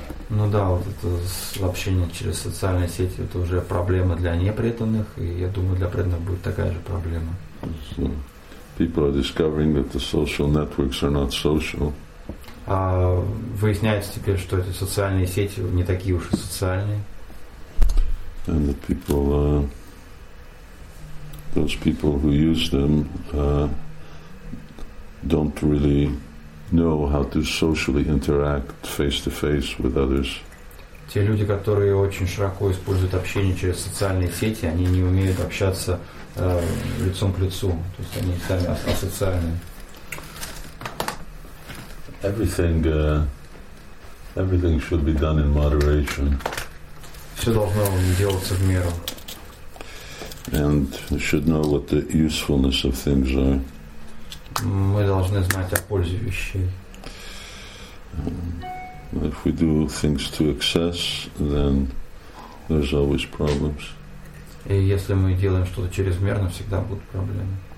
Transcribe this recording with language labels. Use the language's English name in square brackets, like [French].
[Russian] Ну да, вот это общение через социальные сети, это уже проблема для непреданных, и я думаю, для преданных будет такая же проблема. [English] So, people are discovering that the social networks are not social. [Russian] А выясняется теперь, что эти социальные сети не такие уж и социальные. [English] And that people, those people who use them, don't really know how to socially interact face to face with others. [Russian] Те люди, которые очень широко используют общение через социальные сети, они не умеют общаться лицом к лицу, то есть они сами асоциальные. [English] everything should be done in moderation. [Russian] Все должно делаться в меру. [English] And we should know what the usefulness of things are. [Russian] Мы должны знать о пользе вещей. [English] If we do things to excess, then there's always problems. [Russian] И если мы делаем что-то чрезмерно, всегда будут проблемы.